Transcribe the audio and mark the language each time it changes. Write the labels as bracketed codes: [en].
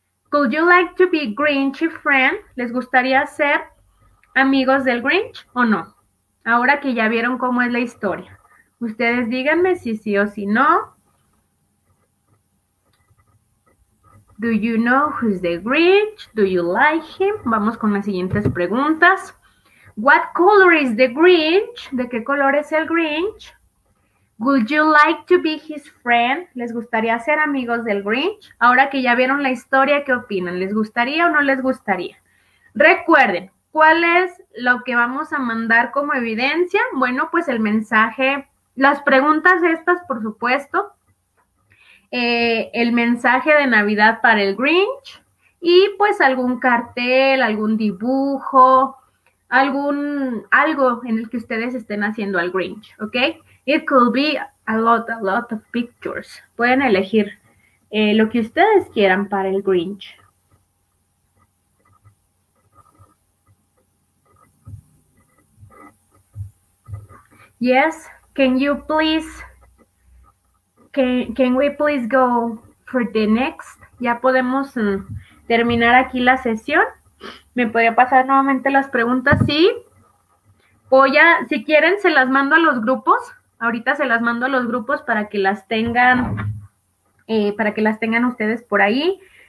[en] Would you like to be Grinchy friend? [es] ¿Les gustaría ser amigos del Grinch o no? Ahora que ya vieron cómo es la historia. Ustedes díganme si sí o si no. [en] Do you know who is the Grinch? Do you like him? [es] Vamos con las siguientes preguntas. [en] What color is the Grinch? [es] ¿De qué color es el Grinch? [en] Would you like to be his friend? [es] ¿Les gustaría ser amigos del Grinch? Ahora que ya vieron la historia, ¿qué opinan? ¿Les gustaría o no les gustaría? Recuerden, ¿cuál es lo que vamos a mandar como evidencia? Bueno, pues el mensaje, las preguntas estas, por supuesto. El mensaje de Navidad para el Grinch y pues algún cartel, algún dibujo, algo en el que ustedes estén haciendo al Grinch, ¿ok? [en] It could be a lot of pictures. [es] Pueden elegir lo que ustedes quieran para el Grinch. [en] Yes, can you please? Can we please go for the next? [es] Ya podemos terminar aquí la sesión. ¿Me podría pasar nuevamente las preguntas? Sí. Si quieren, se las mando a los grupos. Ahorita se las mando a los grupos para que las tengan, para que las tengan ustedes por ahí.